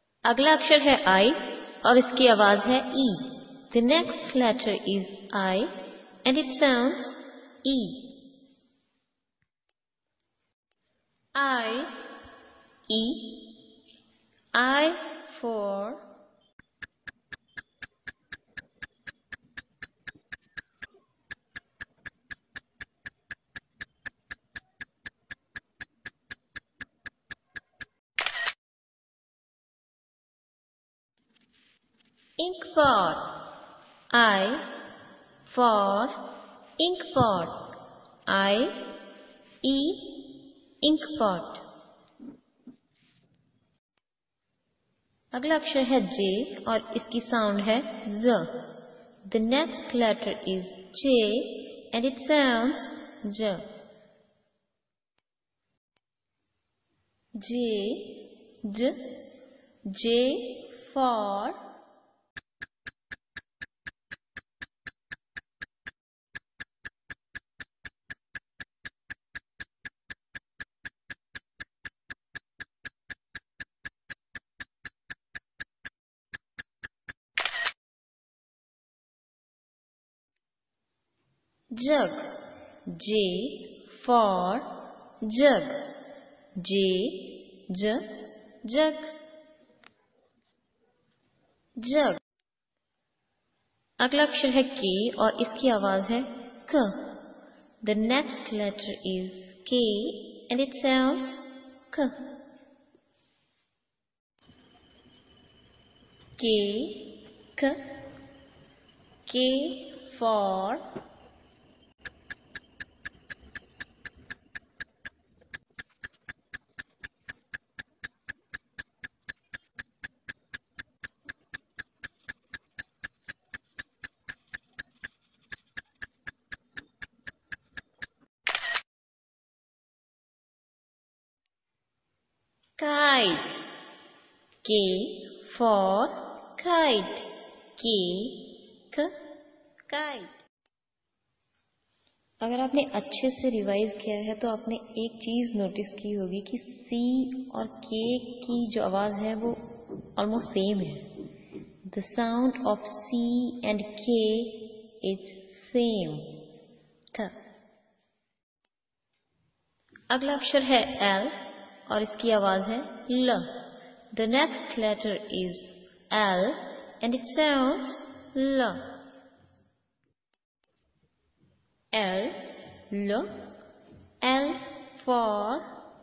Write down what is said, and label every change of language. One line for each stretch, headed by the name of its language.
Hindi: अगला अक्षर है I और इसकी आवाज है E।
English: The next letter is I and it sounds E। I E I for inkpot, I for inkpot, I E inkpot।
Hindi: अगला अक्षर है J और इसकी साउंड है Z।
English: The next letter is J and it sounds J। J J J for jug, J for jug, J J jug, jug।
Hindi: अगला अक्षर है K और इसकी आवाज है K।
English: The next letter is K and it sounds K। K K K for kite, K for kite, K K kite।
Hindi: अगर आपने अच्छे से रिवाइज किया है तो आपने एक चीज नोटिस की होगी कि C और K की जो आवाज है वो ऑलमोस्ट सेम है।
English: The sound of C and K is same.
Hindi: अगला अक्षर है L और इसकी आवाज है ल।
English: The next letter is L and it sounds ल। L ल L for